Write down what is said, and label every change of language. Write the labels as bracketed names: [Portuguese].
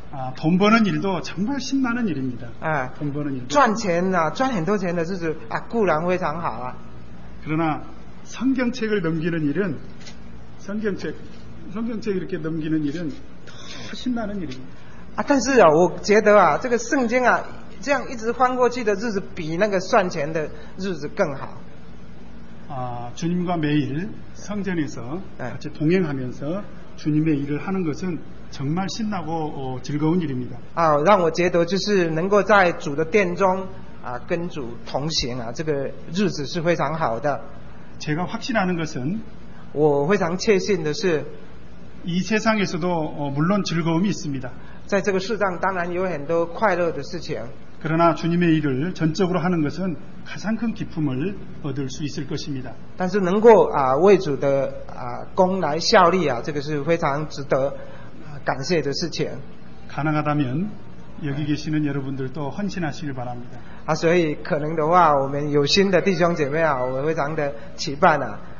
[Korean] 아돈버는일도정말신나는일입니다 아 돈버는일도 [Chinese] 赚钱啊赚很多钱的日子啊固然非常好啊 [Korean] 그러나성경책을넘기는일은성경책성경책이렇게넘기는일은더신나는일입니다 [Chinese] 아但是啊我觉得啊这个圣经啊这样一直翻过去的日子比那个算钱的日子更好 [Korean] 아주님과매일성전에서같이동행하면서주님의일을하는것은정말신나고즐거운일입니다 [Chinese] 아让我觉得就是能够在主的殿中啊跟主同行啊这个日子是非常好的 [Korean] 제가확신하는것은 [Chinese] 我非常确信的是， [Korean] 이세상에서도물론즐거움이있습니다 [Chinese] 在这个世上当然有很多快乐的事情。 [Korean] 그러나주님의일을전적으로하는것은가장큰기쁨을얻을수있을것입니다 [Chinese] 但是能够啊为主的啊功来效力啊，这个是非常值得感谢的事情。 [Korean] 가능하다면여기계시는여러분들도헌신하시길바랍니다 [Chinese] 啊，所以可能的话，我们有心的弟兄姐妹啊，我们非常的期盼啊。